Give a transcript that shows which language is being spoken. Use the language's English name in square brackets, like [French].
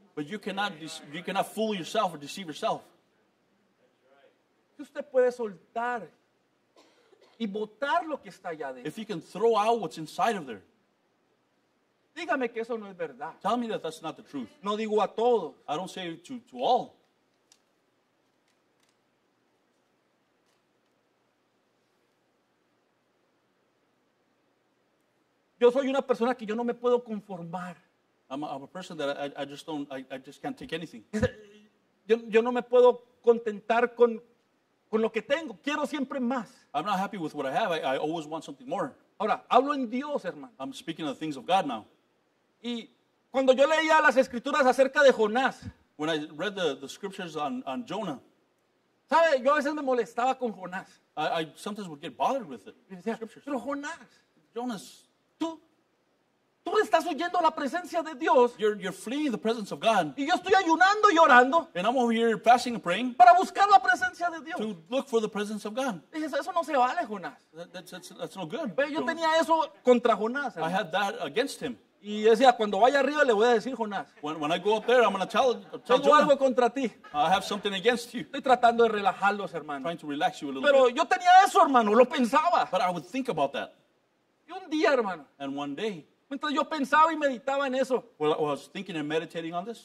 [English] But you cannot fool yourself or deceive yourself. [Spanish] Usted puede soltar y botar lo que está allá dentro. [English] If you can throw out what's inside of there. [Spanish] Dígame que eso no es verdad. [English] Tell me that that's not the truth. [Spanish] No digo a todos. [English] I don't say to all. [Spanish] Yo soy una persona que yo no me puedo conformar. [English] I'm a person that I just can't take anything. [Spanish] Yo no me puedo contentar con lo que tengo. Quiero siempre más. [English] I'm not happy with what I have. I always want something more. [Spanish] Ahora, hablo en Dios, hermano. [English] I'm speaking of the things of God now. [Spanish] Y cuando yo leía las escrituras acerca de Jonás. [English] When I read the scriptures on Jonah. [Spanish] ¿Sabe? Yo a veces me molestaba con Jonás. [English] I sometimes would get bothered with it. [Spanish] Decía, scriptures. Pero Jonás. [English] Jonas. [Spanish] Tú estás huyendo la presencia de Dios. [English] You're fleeing the presence of God. [Spanish] Y yo estoy ayunando y orando. [English] And I'm over here fasting and praying. [Spanish] Para buscar la presencia de Dios. [English] To look for the presence of God. [Spanish] Y eso no se vale, Jonás. [English] That's no good. [Spanish] Pero yo tenía eso contra Jonás. [English] I had that against him. [Spanish] Y decía, cuando vaya arriba le voy a decir Jonás. [English] When I go up there, I'm going to tell [Spanish] Jonah. Tengo algo contra ti. [English] I have something against you. [Spanish] Estoy tratando de relajarlos, hermano. [English] Trying to relax you a little [Spanish] pero [English] bit. [Spanish] Pero yo tenía eso, hermano. Lo pensaba. [English] But I would think about that. [Spanish] Y un día, hermano. [English] And one day. [Spanish] Mientras yo pensaba y meditaba en eso. [English] Well, I was thinking and meditating on this.